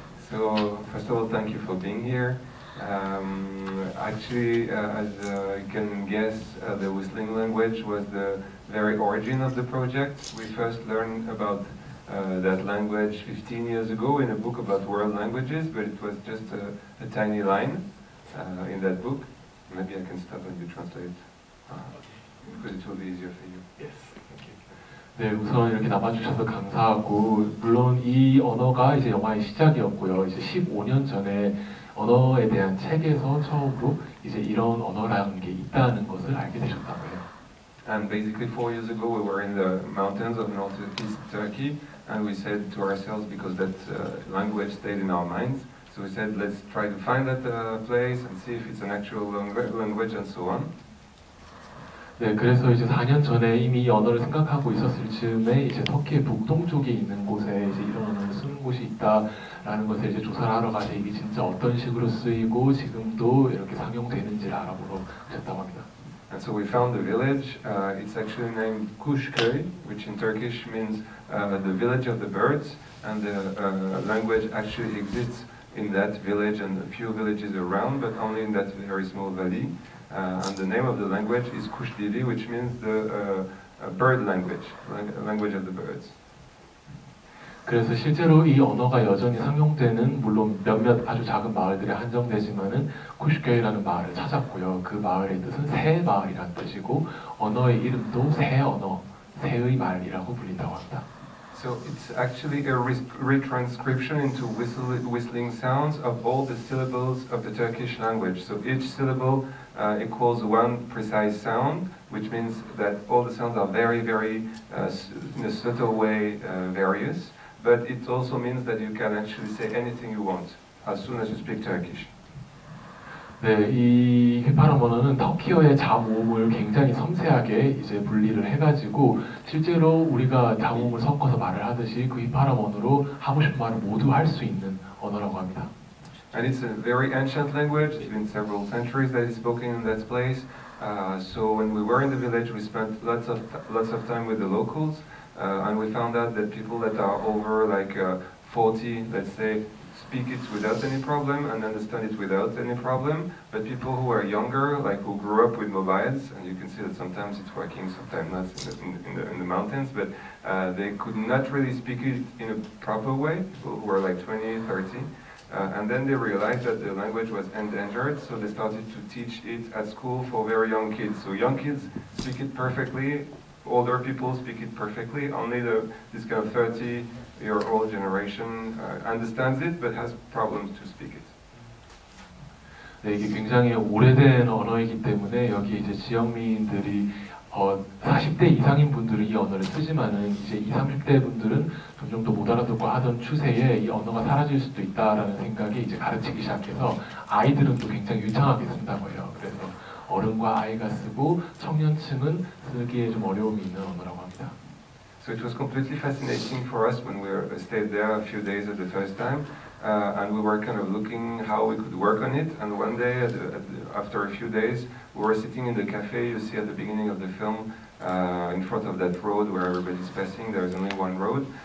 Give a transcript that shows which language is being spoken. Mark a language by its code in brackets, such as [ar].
[en] So first of all, thank you for being here. Actually, as you can guess, the whistling language was the very origin of the project. We first learned about that language 15 years ago in a book about world languages, but it was just a tiny line in that book. Maybe I can stop and you translate, because it will be easier for you. Yes, thank you. [ko] 네, 우선 이렇게 나와주셔서 감사하고, 물론 이 언어가 이제 영화의 시작이었고요. 이제 15년 전에 언어에 대한 책에서 처음으로 이제 이런 언어라는 게 있다는 것을 알게 되셨다고 해요. [en] And basically 4 years ago we were in the mountains of northeast Turkey and we said to ourselves, because that language stayed in our minds, so we said let's try to find that place and see if it's an actual language and so on. [ko] 네, 그래서 이제 4년 전에 이미 언어를 생각하고 있었을 즈음에 이제 터키의 북동쪽에 있는 곳에 이제 이런 언어를 쓰는 곳이 있다라는 것을 이제 조사를 하러 가서 이게 진짜 어떤 식으로 쓰이고 지금도 이렇게 사용되는지를 알아보러 가셨다고 합니다. [en] And so we found the village. It's actually named Kuşköy, which in Turkish means the village of the birds. And the language actually exists in that village and a few villages around, but only in that very small valley. And the name of the language is Kuşdili, which means the bird language, language of the birds. [ko] 그래서 실제로 이 언어가 여전히 상용되는 물론 몇몇 아주 작은 마을들에 한정되지만은 쿠슈케이라는 마을을 찾았고요. 그 마을의 뜻은 새 마을이란 뜻이고 언어의 이름도 새 언어, 새의 마을이라고 불린다고 합니다. [en] So it's actually a retranscription into whistling sounds of all the syllables of the Turkish language. So each syllable equals one precise sound, which means that all the sounds are very, very in a subtle way various. But it also means that you can actually say anything you want as soon as you speak Turkish. [ko] 네, 이 휘파람 언어는 터키어의 잠옴을 굉장히 섬세하게 이제 분리를 해가지고 실제로 우리가 잠옴을 섞어서 말을 하듯이 그 휘파람 언어로 하고 싶은 말을 모두 할 수 있는 언어라고 합니다. [en] And it's a very ancient language. It's been several centuries that is spoken in that place. So when we were in the village, we spent lots of time with the locals, and we found out that people that are over like 40, let's say, speak it without any problem and understand it without any problem. But people who are younger, like who grew up with mobiles, and you can see that sometimes it's working, sometimes not in the mountains, but they could not really speak it in a proper way, people who were like 20, 30. And then they realized that the language was endangered, so they started to teach it at school for very young kids. So young kids speak it perfectly, older people speak it perfectly, only this kind of 30-year-old generation understands it, but has problems to speak it. [ko] 네, 이게 굉장히 오래된 언어이기 때문에 여기 이제 지역민들이 40대 이상인 분들은 이 언어를 쓰지만은 이제 20, 30대 분들은 점점 더 못 알아듣고 하던 추세에 이 언어가 사라질 수도 있다라는 생각이 이제 가르치기 시작해서 아이들은 또 굉장히 유창하게 쓴다고 해요. 그래서 어른과 아이가 쓰고 청년층은 쓰기에 좀 어려움이 있는 언어라고 합니다. [en] So it was completely fascinating for us when we stayed there a few days at the first time. And we were kind of looking how we could work on it. And one day, after a few days, we were sitting in the cafe you see at the beginning of the film, in front of that road where everybody's passing, there's only one road.